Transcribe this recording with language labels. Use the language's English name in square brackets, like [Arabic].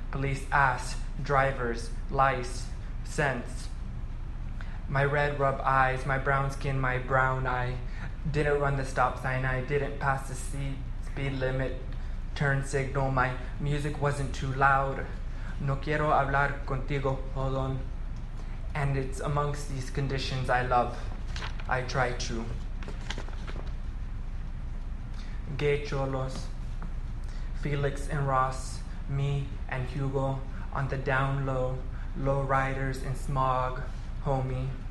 [English] Police asked, drivers, lice, sense. My red rub eyes, my brown skin, my brown eye. Didn't run the stop sign, I didn't pass the speed limit, turn signal, my music wasn't too loud. [Spanish] No quiero hablar contigo, [English] hold on. And it's amongst these conditions I love, I try to. Gay cholos, Felix and Ross, me and Hugo, on the down low, low riders in smog, homie,